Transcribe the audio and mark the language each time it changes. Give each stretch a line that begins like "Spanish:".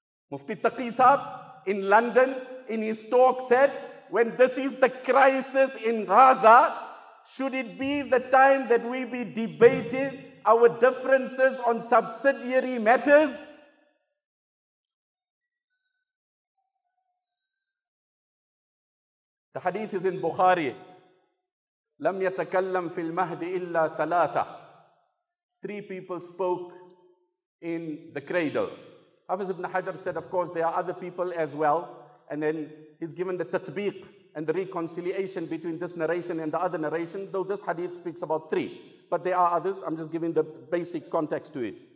English: Mufti Taqi Sahab in London in his talk said, when this is the crisis in Gaza, should it be the time that we be debating our differences on subsidiary matters? The hadith is in Bukhari.
Arabic: لم يتكلم في المهدي إلا ثلاثة.
English: Three people spoke in the cradle. Hafiz ibn Hajar said, of course, there are other people as well. And then he's given the tatbiq and the reconciliation between this narration and the other narration, though this hadith speaks about three. But there are others, I'm just giving the basic context to it.